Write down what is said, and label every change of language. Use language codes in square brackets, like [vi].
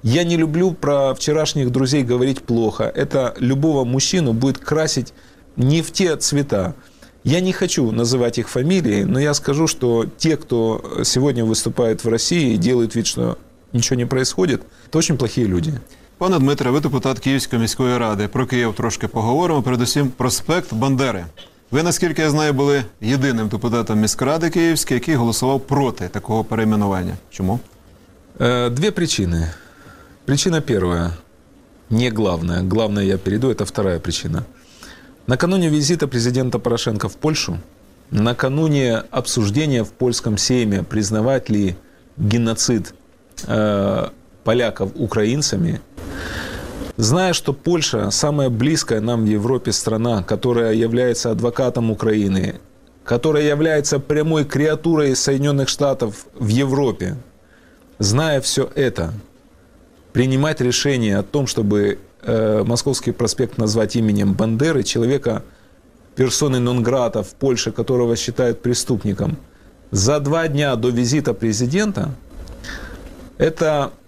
[ru] Я не люблю про вчерашних друзей говорить плохо. Это любого мужчину будет красить не в те цвета. Я не хочу называть их фамилии, но я скажу, что те, кто сегодня выступает в России и делает вид, что ничего не происходит, это очень плохие люди. [uk] Пане Дмитре, ви депутат Київської міської ради. Про Київ трошки поговоримо, передусім проспект Бандери. Ви, наскільки я знаю, були єдиним депутатом міськради Київської, який голосував проти такого перейменування. Чому? Дві причини. Причина перша. Не головна. Головне я перейду, це друга причина. [ru] Накануні візиту президента Порошенка в Польщу, накануні обговорення в польському сейме, признавати ли геноцид поляков українцями, зная, что Польша самая близкая нам в Европе страна, которая является адвокатом Украины, которая является прямой креатурой Соединенных Штатов в Европе, зная все это, принимать решение о том, чтобы Московский проспект назвать именем Бандеры, человека, персоны нон-грата в Польше, которого считают преступником, за два дня до визита президента, это...